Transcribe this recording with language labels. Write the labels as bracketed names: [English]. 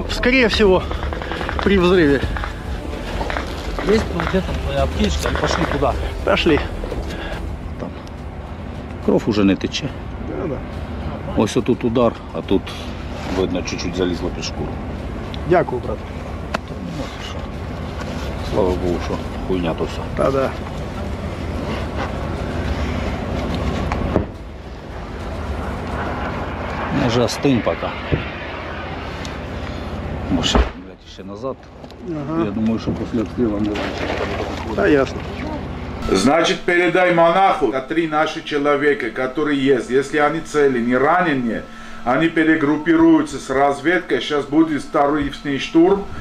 [Russian] Скорее всего, при взрыве. Есть вот где-то твоя аптечка, пошли туда. Пошли. Там. Кровь уже не тече. Да. [Ukrainian] Ось отут удар, а тут, видно, чуть-чуть залізло під шкуру. Дякую, брат. Слава Богу, що хуйня то все. Та-да. Ми вже остим поки. Може, блядь, ще назад. Ага. Я думаю, що після відкрива не бачить. Та ясно. [Russian] Значит, передай монаху, а три наши человека, которые есть, если они цели, не раненые, они перегруппируются с разведкой, сейчас будет второй штурм.